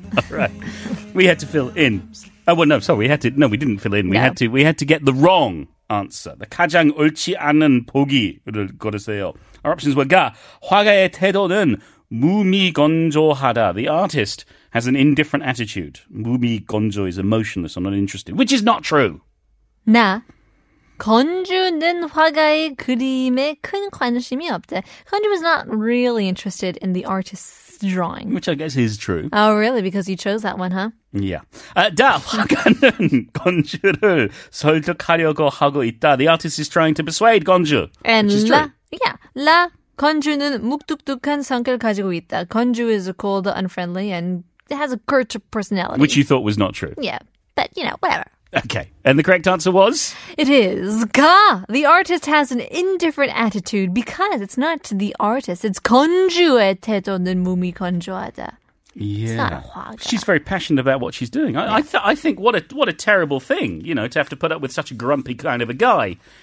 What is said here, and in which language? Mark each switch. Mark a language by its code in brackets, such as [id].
[en] Alright, we had to fill in. Oh well, no, sorry. We had to. No, we didn't fill in. We had to get the wrong answer. [ko] The 가장 옳지 않은 보기를 고르세요. [en] Our options were 가. [ko] 화가의 태도는 무미건조하다. [en] The artist has an indifferent attitude. 무미건조 is emotionless or uninterested, which is not true. [ko] 나 건주는 화가의 그림에 큰 관심이 없대. [en] 건주 was not really interested in the artist's drawing, which I guess is true. Oh, really? Because you chose that one, huh? Yeah. [ko] 다 화가는 건주를 설득하려고 하고 있다. [en] The artist is trying to persuade 건주. And which is la, true. Yeah, la. [ko] 건주는 묵뚝뚝한 성격을 가지고 있다. [en] 건주 is cold, unfriendly, and has a curt personality. Which you thought was not true. Yeah, but, you know, whatever. Okay, and the correct answer was? It is. Ga! The artist has an indifferent attitude because it's not the artist. It's [ko] 건주의 태도는 무미건조하다. [en] Yeah. It's not 화가. She's very passionate about what she's doing. I think what a terrible thing, you know, to have to put up with such a grumpy kind of a guy.